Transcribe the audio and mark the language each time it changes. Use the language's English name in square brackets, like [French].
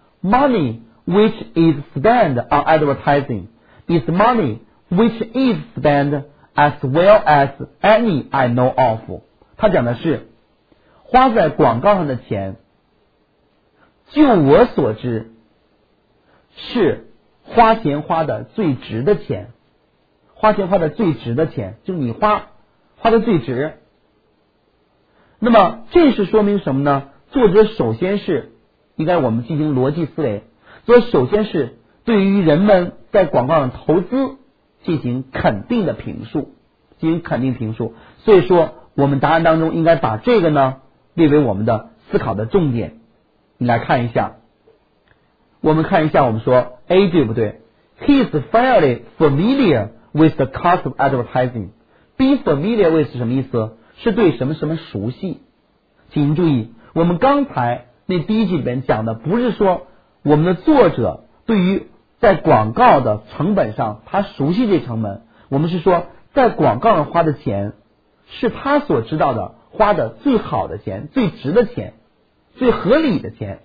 [English] Money which is spent on advertising is money which is spent as well as any I know of。 [Chinese] 他讲的是花在广告上的钱，就我所知是花钱花的最值的钱，花钱花的最值的钱，就你花的最值。那么这是说明什么呢？作者首先是应该我们进行逻辑思维，作者首先是对于人们在广告上投资进行肯定的评述，进行肯定评述。所以说我们答案当中应该把这个呢列为我们的思考的重点。你来看一下，我们看一下，我们说 A 对不对？ [English] He is fairly familiar with the cost of advertising。 Be familiar with [Chinese] 什么意思？是对什么什么熟悉。请注意我们刚才那第一句里面讲的不是说我们的作者对于在广告的成本上他熟悉这成本，我们是说在广告上花的钱是他所知道的花的最好的钱，最值的钱，最合理的钱。